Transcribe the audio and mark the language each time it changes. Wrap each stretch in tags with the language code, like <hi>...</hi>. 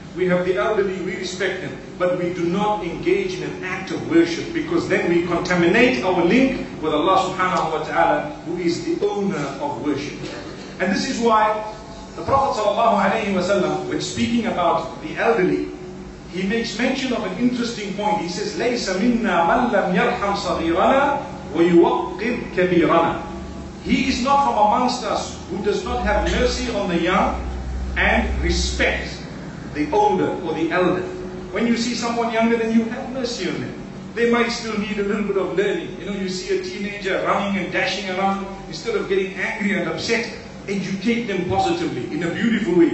<en>We have the elderly, we respect them. But we do not engage in an act of worship, because then we contaminate our link with Allah subhanahu wa ta'ala, who is the owner of worship. And this is why the Prophet sallallahu alayhi wa sallam, when speaking about the elderly, he makes mention of an interesting point. He says,</en> <ar>لَيْسَ مِنَّا مَنْ لَمْ يَرْحَمْ صَغِيرَنَا وَيُوَقِّبْ كَبِيرَنَا.</ar> <en>He is not from amongst us who does not have mercy on the young and respect the older or the elder. When you see someone younger than you, have mercy on them. They might still need a little bit of learning. You know, you see a teenager running and dashing around, instead of getting angry and upset, educate them positively in a beautiful way.</en>